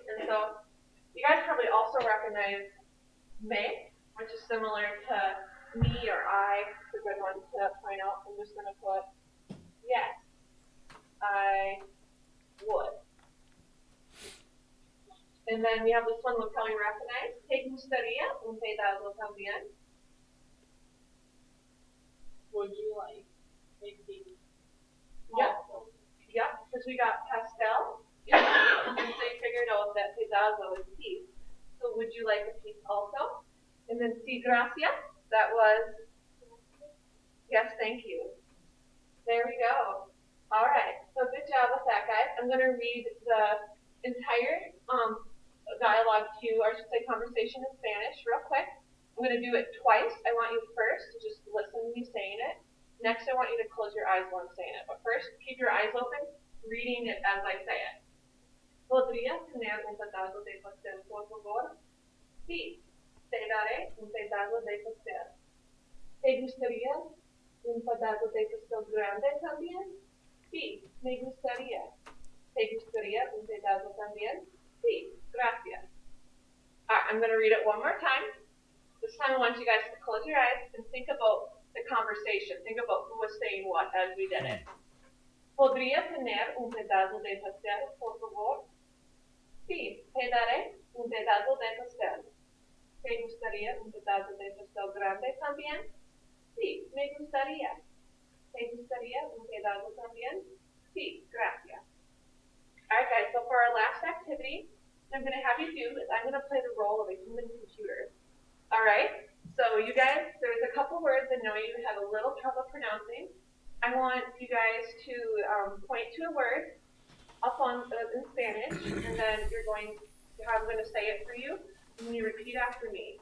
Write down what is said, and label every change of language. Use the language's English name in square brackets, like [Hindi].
[English] And so you guys probably also recognize me, which is similar to me or I. It's a good one to point out. I'm just going to put yes, I would. And then we have this one we'll probably recognize. [Spanish] ¿Te gustaría un pedazo también? [English] Would you like maybe? Yep, because we got pastel. Yeah. And so you figured out that pedazo is piece. So would you like a piece also? And then [Spanish] sí, gracias. [English] That was? Yes, thank you. There we go. All right. So good job with that, guys. I'm going to read the entire dialogue to you, or I should say conversation in Spanish real quick. I'm going to do it twice. I want you first to just listen to me saying it. Next, I want you to close your eyes while I'm saying it. But first, keep your eyes open, reading it as I say it. [Spanish] ¿Podría tener un petardo de pastel, por favor? Sí, te daré un petardo de pastel. ¿Te gustaría un petardo de pastel grande también? Sí, me gustaría. ¿Te gustaría un petardo también? Sí, gracias. [English] All right, I'm going to read it one more time. This time I want you guys to close your eyes and think about the conversation. Think about who was saying what as we did it. [Spanish] ¿Podría tener un pedazo de pastel, por favor? Sí, te daré un pedazo de pastel. ¿Te gustaría un pedazo de pastel grande también? Sí, me gustaría. ¿Te gustaría un pedazo también? Sí, gracias. [English] All right, guys, so for our last activity, I'm going to have you do is I'm going to play the role of a human computer. All right, so you guys, there's a couple words I know you have a little trouble pronouncing. I want you guys to point to a word up on in Spanish, and then you're going to have, I'm going to say it for you, and then you repeat after me.